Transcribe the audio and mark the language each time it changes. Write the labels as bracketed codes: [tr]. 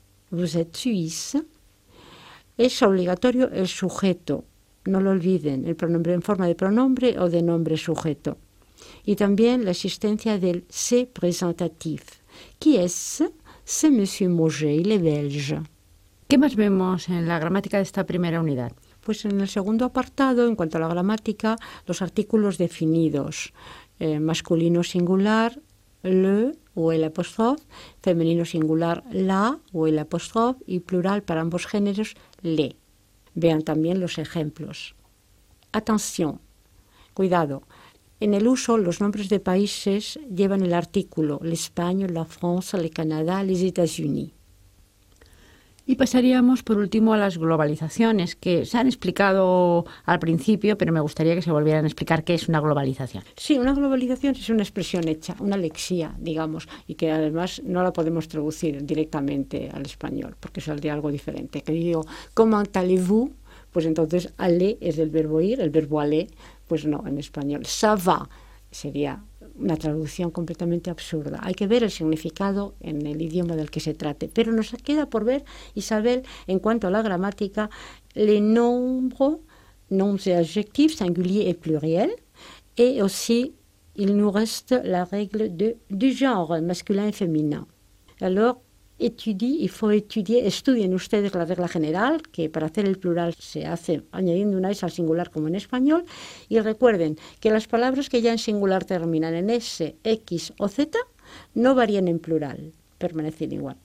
[fr] Vous êtes suisse. [es] Es obligatorio el sujeto, no lo olviden, el pronombre en forma de pronombre o de nombre sujeto. Y también la existencia del c'est présentatif. [fr] ¿Qui est-ce? C'est Monsieur Mauger, il est belge. [es] ¿Qué más vemos en la gramática de esta primera unidad? Pues en el segundo apartado, en cuanto a la gramática, los artículos definidos, masculino singular, le o el apóstrofe, femenino singular la o el apóstrofe y plural para ambos géneros le. Vean también los ejemplos. Atención, cuidado. En el uso, los nombres de países llevan el artículo: [fr] l'Espagne, la France, le Canadá, les États-Unis. [es] Y pasaríamos por último a las globalizaciones, que se han explicado al principio, pero me gustaría que se volvieran a explicar qué es una globalización. Sí, una globalización es una expresión hecha, una lexía, digamos, y que además no la podemos traducir directamente al español, porque saldría algo diferente. Que digo, [fr] comment allez-vous? [es] Pues entonces, aller es del verbo ir, el verbo aller, pues no, en español. [fr] Ça va [es] sería una traducción completamente absurda. Hay que ver el significado en el idioma del que se trate. Pero nos queda por ver, Isabel, en cuanto a la gramática, [fr] les nombres, noms et adjectifs, singulier et pluriel, et aussi, il nous reste la règle du genre, masculin et féminin. Alors, Étudie, il faut étudier, [es] estudien ustedes la regla general, que para hacer el plural se hace añadiendo una S al singular como en español. Y recuerden que las palabras que ya en singular terminan en S, X o Z no varían en plural, permanecen igual.